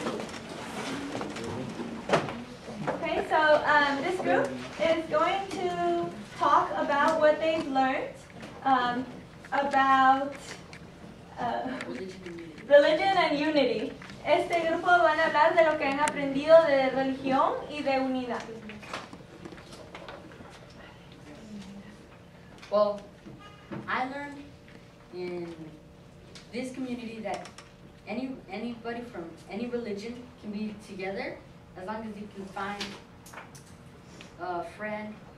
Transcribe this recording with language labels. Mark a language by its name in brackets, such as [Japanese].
[English] Okay, so this group is going to talk about what they've learned about religion and unity. [Spanish] Este grupo van a hablar de lo que han aprendido de religión y de unidad. [English] Well, I learned in this community that anybody from any religion can be together as long as you can find a friend